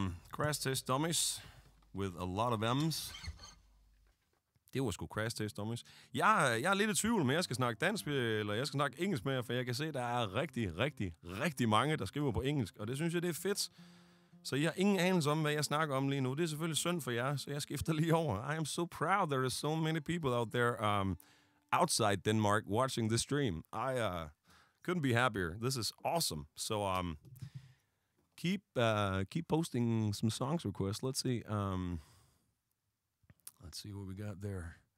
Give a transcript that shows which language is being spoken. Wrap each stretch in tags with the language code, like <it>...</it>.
<en>Crash Test Dummies with a lot of M's.</en> <da>Det var sgu Crash Test Dummies. Jeg er lidt i tvivl, om jeg skal snakke dansk, eller jeg skal snakke engelsk med jer, for jeg kan se, der er rigtig, rigtig, rigtig mange, der skriver på engelsk, og det synes jeg, det er fedt. Så I har ingen anelse om, hvad jeg snakker om lige nu. Det er selvfølgelig synd for jer, så jeg skifter lige over.</da> <en>I am so proud there are so many people out there outside Denmark watching the stream. I couldn't be happier. This is awesome. So Keep posting some songs requests. Let's see what we got there.</en>